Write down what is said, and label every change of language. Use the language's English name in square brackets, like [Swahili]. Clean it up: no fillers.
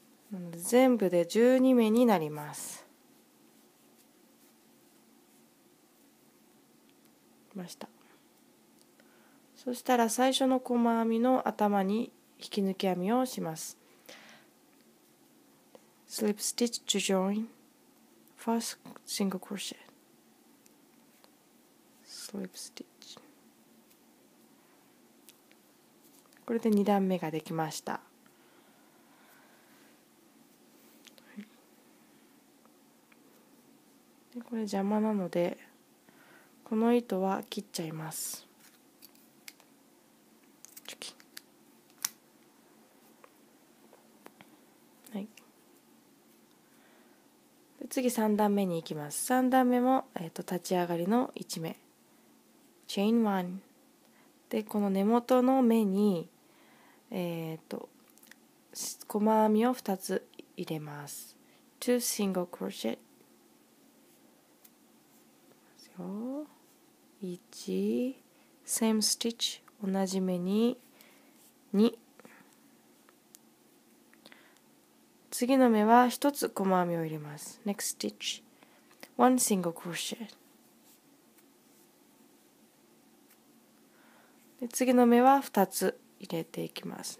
[Japanese] なので全部で12目になります。そしたら最初の細編みの頭に引き抜き編みをします。 [English] Slip stitch to join first single crochet Slip stitch [Japanese] これで2段目ができました。でこれ邪魔なのでこの糸は切っちゃいます。チョキ、はい、で次3段目に行きます。 3段目も、立ち上がりの1目チェーン1でこの根元の目に、細編みを2つ入れます。 [English] 2 single crochet [Japanese] ですよ。 [English] 1 same stitch [Japanese] 同じ目に2次の目は1つ細編みを入れます。 [English] next stitch 1 single crochet [Japanese] で次の目は2つ入れていきます。